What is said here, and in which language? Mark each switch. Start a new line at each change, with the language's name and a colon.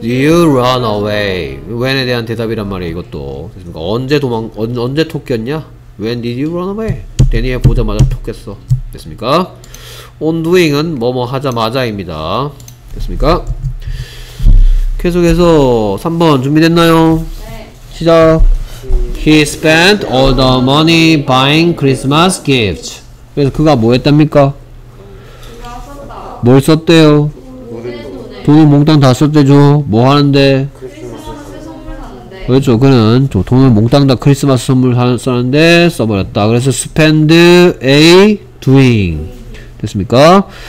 English: did you run away?
Korean: When에 대한 대답이란 말이야, 이것도. 됐습니까? 언제 토꼈냐?
English: When did you run away?
Korean: Daniel 보자마자 토꼈어. 됐습니까? On doing은 뭐뭐 하자마자입니다. 됐습니까? 계속해서 3번 준비됐나요? 네. 시작.
English: He spent all the money buying Christmas gifts.
Korean: 그래서 그가 뭐 했답니까? 뭘 썼대요? 돈을 몽땅 다 썼대죠. 뭐 하는데? 그렇죠. 그는 돈을 몽땅 다 크리스마스 선물 썼는데 써버렸다. 그래서 spend a doing 됐습니까?